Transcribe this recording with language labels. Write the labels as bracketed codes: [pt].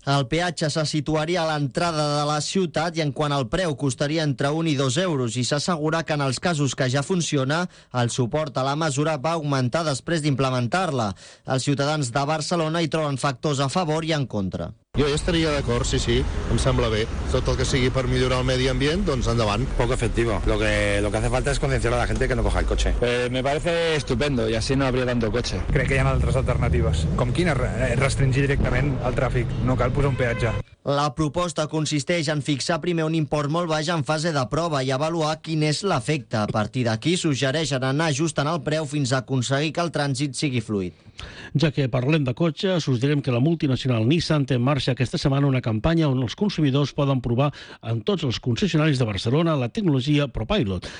[ca] El peatge se situaria a l'entrada de la ciutat i en quant al preu costaria entre 1 i 2 euros i s'assegura que en els casos que ja funciona el suport a la mesura va augmentar després d'implementar-la. Els ciutadans de Barcelona hi troben factors a favor i en contra. Jo ja estaria d'acord, sí, em sembla bé. Tot el que sigui per millorar el medi ambient, doncs endavant. [es] Poco efectivo. Lo que hace falta es concienciar a la gente que no coja el coche. Me parece estupendo y así no habría tanto coche. [ca] Crec que hi ha altres alternatives. Com quina? Restringir directament el tràfic. No cal posar un peatge. La proposta consisteix en fixar primer un import molt baix en fase de prova i avaluar quin és l'efecte. A partir d'aquí suggereixen anar ajustant el preu fins a aconseguir que el trànsit sigui fluid. Ja que parlem de cotxes, us direm que la multinacional Nissan té en marxa aquesta setmana una campanya on els consumidors poden provar en tots els concessionaris de Barcelona la tecnologia ProPilot.